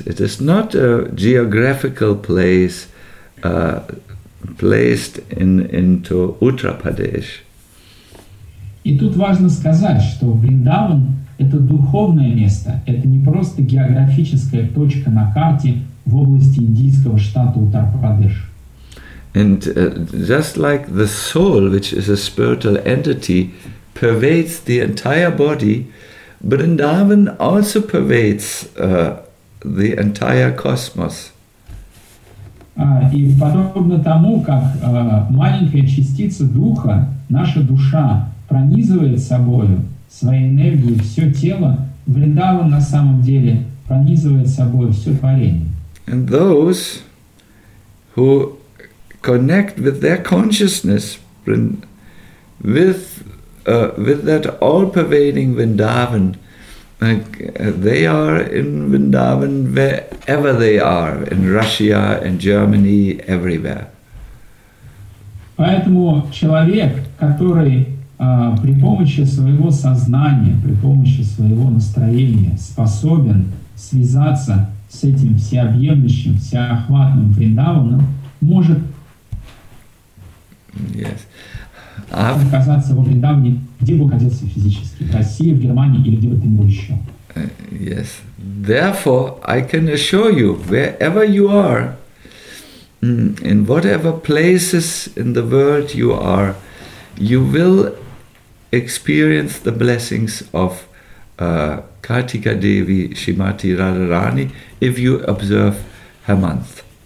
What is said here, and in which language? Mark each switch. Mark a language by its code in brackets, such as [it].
[en] It is not a geographical place placed into Uttar Pradesh. [ru] И тут важно сказать, что Вриндаван — это духовное место, это не просто географическая точка на карте в области индийского штата Уттар-Прадеш. [en] And just like the soul, which is a spiritual entity, pervades the entire body, Vrindavan also pervades the entire cosmos. [ru] И подобно тому, как маленькая частица духа, наша душа, пронизывает собою своей энергией все тело, Вриндаван на самом деле пронизывает собой все творение. [en] And those who connect with their consciousness, with that all-pervading Vrindavan, they are in Vrindavan wherever they are, in Russia, in Germany, everywhere. [ru] Поэтому человек, который при помощи своего сознания, при помощи своего настроения способен связаться с этим всеобъемлющим, всеохватным Вриндаваном, может оказаться во Вриндаване, где бы оказался физически, в России, в Германии или где бы то ни было еще. [en] Yes. Therefore, I can assure you, wherever you are, in whatever places in the world you are, you will experience the blessings of Kartika Devi, Shrimati Radharani, if you observe her month.